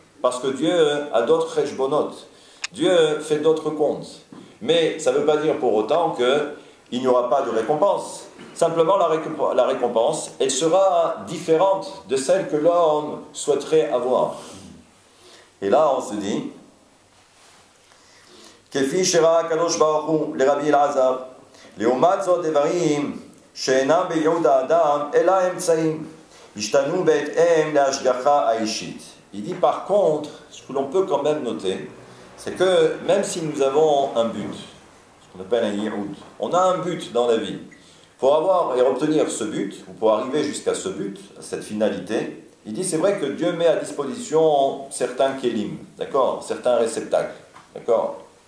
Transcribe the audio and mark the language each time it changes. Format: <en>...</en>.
<fr>Parce que Dieu a d'autres cheshbonot. Dieu fait d'autres comptes. Mais ça ne veut pas dire pour autant qu'il n'y aura pas de récompense. Simplement, la récompense, elle sera différente de celle que l'homme souhaiterait avoir. Et là, on se dit,</fr> <he>כפי שראה הקדוש ברוך הוא לרבי אלעזר. לעומת זאת דברים שאינם בייעוד האדם אלא אמצעים השתנו בהתאם להשגחה האישית.</he> <fr>Il dit par contre, ce que l'on peut quand même noter, c'est que même si nous avons un but, ce qu'on appelle un yiroud, on a un but dans la vie. Pour avoir et obtenir ce but, ou pour arriver jusqu'à ce but, à cette finalité, il dit c'est vrai que Dieu met à disposition certains kélim, d'accord, certains réceptacles, d'accord.</fr>